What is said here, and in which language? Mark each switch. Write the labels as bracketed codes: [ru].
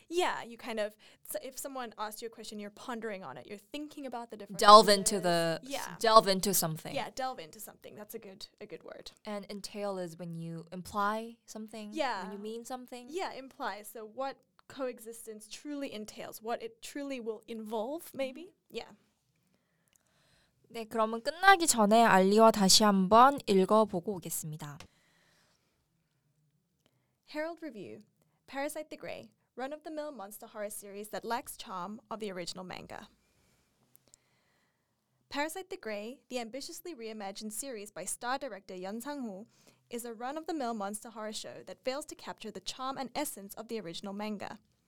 [en] Yeah, you kind of, if someone asks you a question, you're pondering on it. You're thinking about the different delve ideas. Delve into something. Yeah, delve into something. That's a good word. And entail is when you imply something. Yeah. When you mean something. Yeah, imply. So what coexistence truly entails, what it truly will involve, maybe. Mm-hmm. Yeah. [ko] 네, 그러면 끝나기 전에 알리와 다시 한번 읽어보고 오겠습니다. [en] Herald Review, Parasite the Grey, run-of-the-mill monster horror series that lacks charm of the original manga. Parasite the Grey, the ambitiously reimagined series by star director Yeon Sang-woo, is a run-of-the-mill monster horror show that fails to capture the charm and essence of the original manga.